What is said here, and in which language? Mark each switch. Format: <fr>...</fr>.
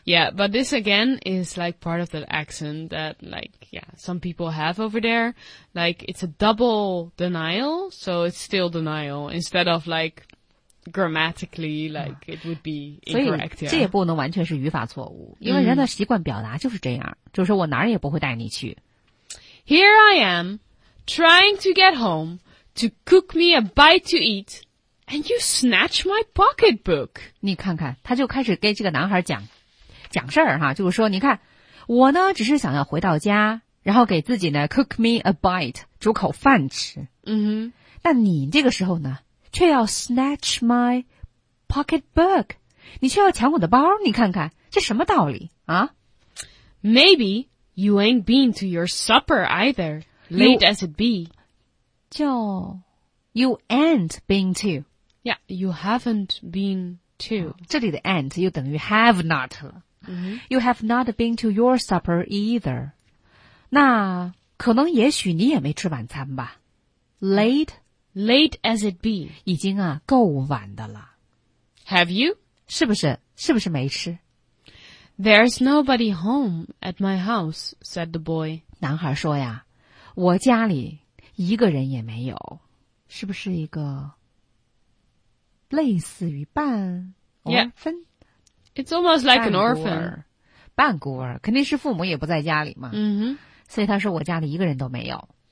<en>Yeah, but this again is like part of the accent that like, yeah, some people have over there. Like, it's a double denial, so it's still denial. Instead of like, grammatically, like, it would be incorrect.</en> <zh>所以这也不能完全是语法错误。因为人的习惯表达就是这样。就是说我哪儿也不会带你去。</zh> <en>Here I am, trying to get home to cook me a bite to eat. And you snatch my pocketbook.</en> <zh>你看看，他就开始给这个男孩讲，讲事儿哈，就是说，你看，我呢只是想要回到家，然后给自己呢</zh> <en>cook me a bite,</en> <zh>煮口饭吃。那你这个时候呢却要</zh> <en>snatch my pocketbook,</en> <zh>你却要抢我的包，你看看这什么道理啊。</zh> <en>Maybe you ain't been to your supper either, late as it be.</en> <zh>叫</zh> <en>you ain't been to. Yeah, you haven't been to.、</en> <zh>哦、这里的 ain't 又等于 have not 了。</zh> <en>You have not been to your supper either.</en> <zh>那可能也许你也没吃晚餐吧。</zh> <en>Late as it be.</en> <zh>已经啊够晚的了。</zh> <en>Have you?</en> <zh>是不是是不是没吃。</zh> <en>There's nobody home at my house, said the boy.</en> <zh>男孩说呀，我家里一个人也没有。是不是一个类似于半 orphan?、</zh> <en>Yeah. It's almost like an orphan.</en> <zh>半孤儿，肯定是父母也不在家里嘛。所以他说我家里一个人都没有。</zh>